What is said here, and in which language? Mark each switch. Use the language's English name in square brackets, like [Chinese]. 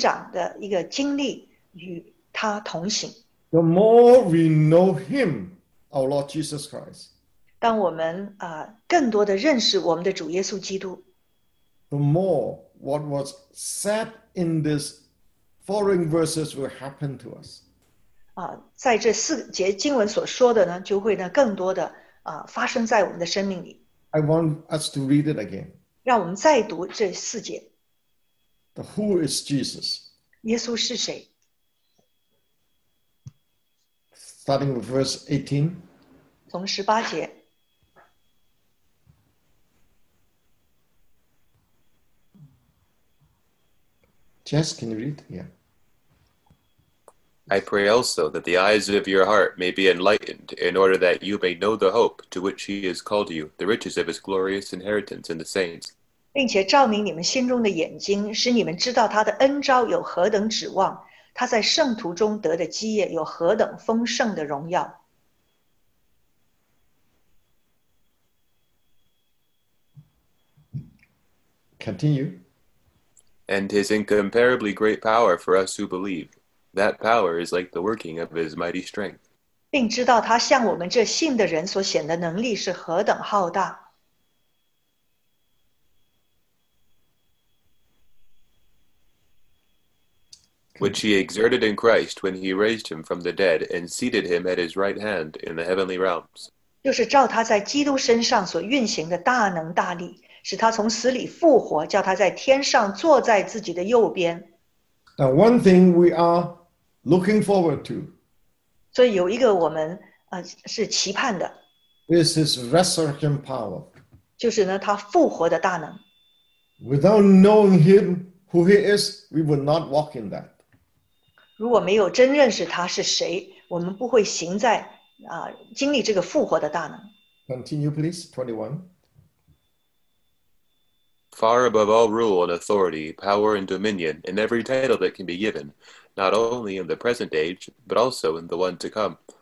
[Chinese] 就是一个不断成长的一个经历与他同行。 [English] The more we know him, our Lord Jesus Christ, [Chinese] 当我们, 更多地认识我们的主耶稣基督, [English] the more what was said in these following verses will happen to us. [Chinese] 在这四节经文所说的呢, 就会呢, 更多的, 发生在我们的生命里。 [English] I want us to read it again. [Chinese] 让我们再读这四节。 [English] The who is Jesus? [Chinese] 耶稣是谁? [English] Starting with verse 18. [Chinese] 从十八节。 [English] Jess, can you read? Yeah. I pray also that the eyes of your heart may be enlightened in order that you may know the hope to which he has called you, the riches of his glorious inheritance in the saints. [Chinese] 并且照明你们心中的眼睛, 使你们知道他的恩召有何等指望, 他在圣徒中得的基业有何等丰盛的荣耀。 [English] Continue. And his incomparably great power for us who believe. That power is like the working of his mighty strength. [Chinese] 并知道他向我们这信的人所显的能力是何等浩大。 [English] Which he exerted in Christ when he raised him from the dead and seated him at his right hand in the heavenly realms. [Chinese] 就是照他在基督身上所运行的大能大力。使他从死里复活，叫他在天上坐在自己的右边。 [English] Now one thing we are looking forward to. [Chinese] 所以有一个我们, 是期盼的。 [English] Is his resurrection power. [Chinese] 就是呢, 他复活的大能。 [English] Without knowing him, who he is, we would not walk in that. [Chinese] 如果没有真认识他是谁, 我们不会行在, 经历这个复活的大能。 [English] Continue please, 21. Far above all rule and authority, power and dominion, and every title that can be given, not only in the present age, but also in the one to come.